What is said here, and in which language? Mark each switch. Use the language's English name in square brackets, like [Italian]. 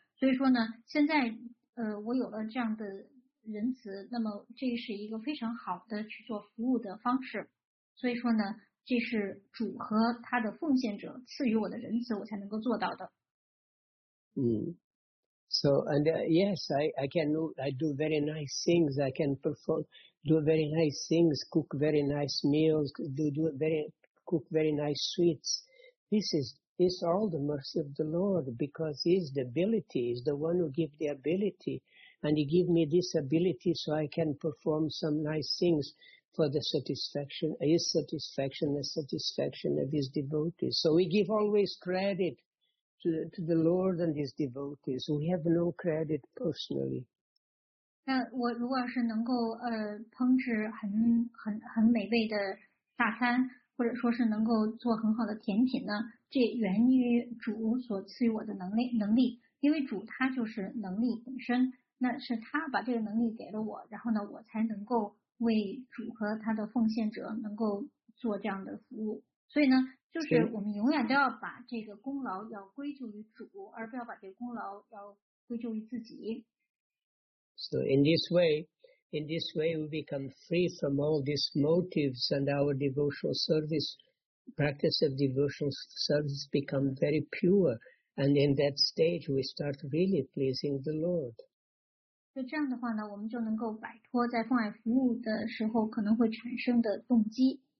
[Chinese] 所以说呢，现在我有了这样的仁慈，那么这是一个非常好的去做服务的方式。所以说呢，这是主和他的奉献者赐予我的仁慈，我才能够做到的。 [English] So, and yes, I do very nice things. I can perform, do very nice things, cook very nice meals, cook very nice sweets. This is all the mercy of the Lord, because He's the ability, He's the one who gives the ability. And He gives me this ability so I can perform some nice things for the satisfaction, His satisfaction, the satisfaction of His devotees. So we give always credit to the Lord and His devotees. We have no credit personally. [Chinese] 那我如果是能够烹制很美味的大餐，或者说是能够做很好的甜品呢，这源于主所赐予我的能力，因为主他就是能力本身，那是他把这个能力给了我，然后呢，我才能够为主和他的奉献者能够做这样的服务。所以呢，就是我们永远都要把这个功劳要归咎于主，而不要把这个功劳要归咎于自己。 [English] So in this way, we become free from all these motives, and our devotional service, practice of devotional service, become very pure. And in that stage, we start really pleasing the Lord. [Chinese] 就这样的话呢，我们就能够摆脱在奉爱服务的时候可能会产生的动机。